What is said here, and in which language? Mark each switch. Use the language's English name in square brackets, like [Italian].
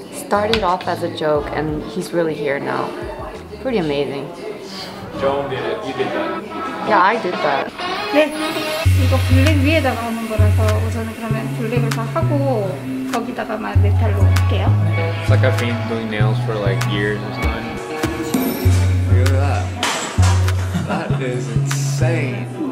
[English] Started off as a joke, and he's really here now. Pretty amazing. Joan did it. You did that. Yeah, I did that. [Korean] 네, 이거 블랙 위에다 나오는 거라서 우선은 그러면 블랙을 다 하고 거기다가 막 메탈로 할게요. [English] It's like I've been doing nails for like years or something. Look at that. That is insane.